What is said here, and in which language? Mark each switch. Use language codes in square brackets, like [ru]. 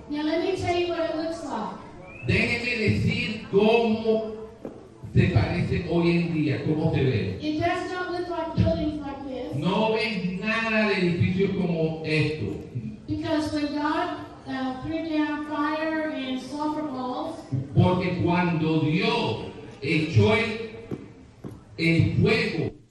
[en] Now let me tell you what it looks like. [es] Déjeme decir cómo se parece hoy en día, cómo se ve. [en] It does not look like buildings like this. [es] No ves nada de edificios como esto. [en] Because when God threw down fire and sulfur balls. [es] Porque cuando Dios echó el fuego.